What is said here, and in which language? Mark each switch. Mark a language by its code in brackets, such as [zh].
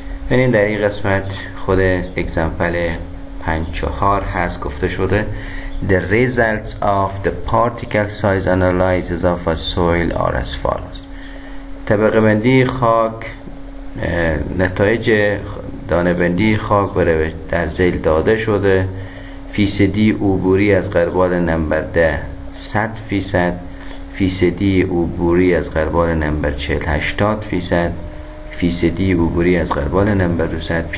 [fa] ببینید در این قسمت خود اگزمپل 5-4 هست. گفته شده [en] The results of the particle size analysis of a soil are as follows. [fa] طبقه بندی خاک، نتایج دانه بندی خاک به روش در ذیل داده شده. فیصدی عبوری از غربال نمبر 10 100%، فیصدی عبوری از غربال نمبر 40 80%، فیصدی عبوری از غربال نمبر 200 58%.